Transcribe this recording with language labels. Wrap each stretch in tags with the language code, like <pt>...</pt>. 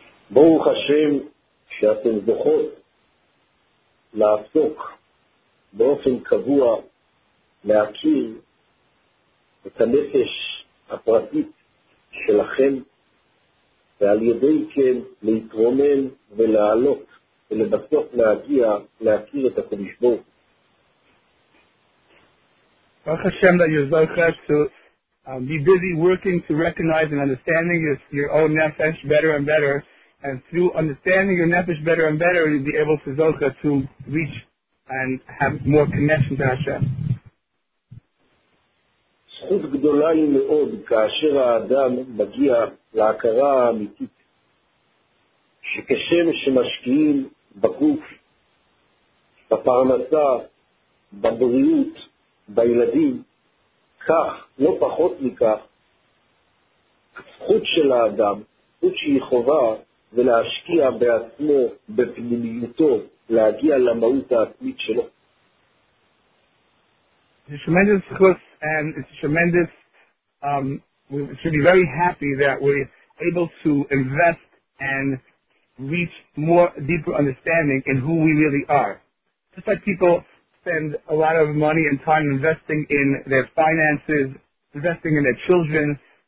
<he>ברוך השם שאתם זוכות לעסוק באופן קבוע להכיר את הנפש הפרטית שלכם, ועל ידי כן להתרומם ולעלות ולבסוף להגיע להכיר את הקדוש ברוך הוא. Baruch Hashem</he> <en>that you're zochet to be busy working to recognize and understanding your own nefesh better and better, and through understanding your nefesh better and better, you'll be able to zochet to reach and have more connection to Hashem.</en> <he>זכות גדולה היא מאוד כאשר האדם מגיע להכרה האמיתית שכשם שמשקיעים בגוף, בפרנסה, בבריאות, בילדים, כך, לא פחות מכך, הזכות של האדם, זכות שהיא חובה, ולהשקיע בעצמו, בפנימיותו, להגיע למהות העצמית שלו.</he> <en>It's a tremendous zchus, and it's a tremendous, we should be very happy that we're able to invest and reach more deeper understanding in who we really are. Just like people spend a lot of money and time investing in their finances, investing in their children.</en>